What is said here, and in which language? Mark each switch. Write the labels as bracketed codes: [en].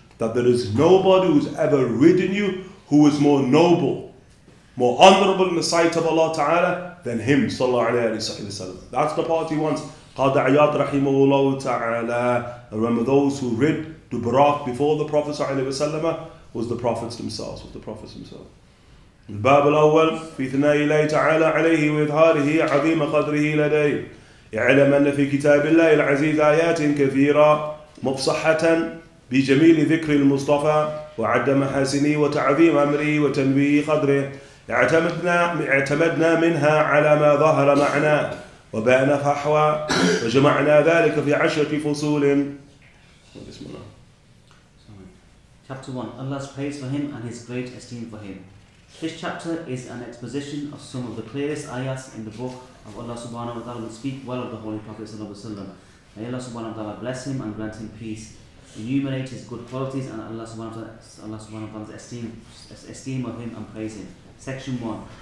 [en] That there is nobody who's ever ridden you who is more noble, more honorable in the sight of Allah Ta'ala than him, sallallahu alayhi wa sallam. That's the part he wants. Qadi Iyad rahimahullah ta'ala. Remember, those who rid the buraq before the Prophet sallallahu alayhi wa sallam was the prophets themselves, was the prophets themselves. [ar] الباب الأول في ثناء الله تعالى عليه وإظهاره عظيم قدره لديه. اعلم أن في كتاب الله العزيز آيات كثيرة مفصحة بجميل ذكر المصطفى وعد محاسنه وتعظيم أمره وتنبيه قدره. اعتمدنا منها على ما ظهر معناه وبان فحوى وجمعنا ذلك في عشرة فصول. بسم الله. [en] Chapter 1. Allah's praise for him and his great esteem for him. This chapter is an exposition of some of the clearest ayahs in the book of Allah subhanahu wa ta'ala, and speak well of the Holy Prophet sallallahu alayhi wa sallam. May Allah subhanahu wa ta'ala bless him and grant him peace. Enumerate his good qualities and Allah subhanahu wa ta'ala's esteem of him and praise him. Section 1.